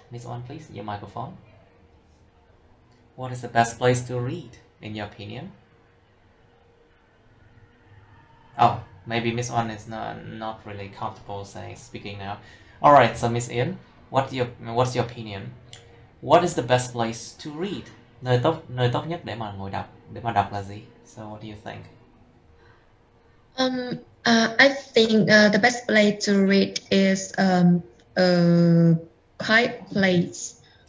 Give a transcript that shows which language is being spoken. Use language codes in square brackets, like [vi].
[en] Miss Wan, please, your microphone. What is the best place to read in your opinion? Oh, maybe Miss Wan is not really comfortable saying speaking now. All right, so Miss Yin, what's your opinion? What is the best place to read? [vi] Nơi tốt nhất để mà ngồi đọc, để mà đọc là gì? [en] So what do you think? I think the best place to read is a quiet place.